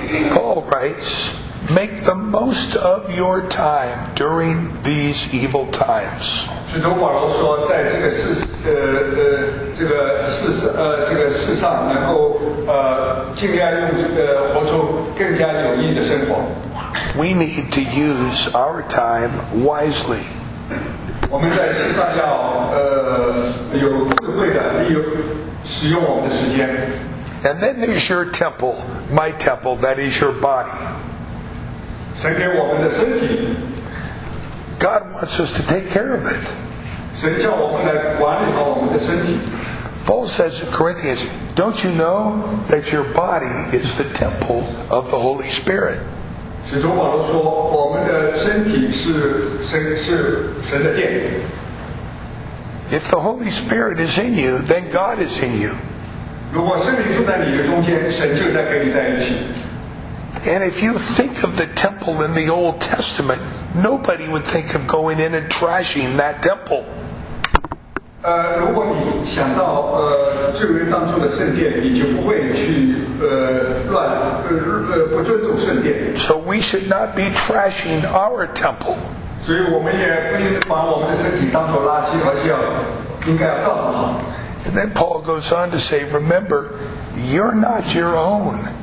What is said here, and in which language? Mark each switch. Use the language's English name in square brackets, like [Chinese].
[English] Paul writes,Make the most of your time during these evil times. [Chinese] 使徒保罗说，在这个世，这个世，这个世上，能够，尽量用这个活出更加有益的生活。 [English] We need to use our time wisely. [Chinese] 我们在世上要，有智慧的利用，使用我们的时间。 [English] And then there's your temple, my temple, that is your body. [Chinese] 神给我们的身体 [English] God wants us to take care of it. [Chinese] 神叫我们来管理好我们的身体 [English] Paul says in Corinthians, don't you know that your body is the temple of the Holy Spirit? [Chinese] 使徒保罗说我们的身体是 神的殿 [English] If the Holy Spirit is in you, then God is in you. [Chinese] 如果圣灵住在你的中间神就在跟你在一起 [English] And if you think of the temple in the Old Testament, nobody would think of going in and trashing that temple. [Chinese] 如果你想到旧约当中的圣殿，你就不会去乱不尊重圣殿。 [English] So we should not be trashing our temple. [Chinese] 所以我们也不应把我们的身体当做垃圾，而是要应该要照顾好。 [English] And then Paul goes on to say, "Remember, you're not your own."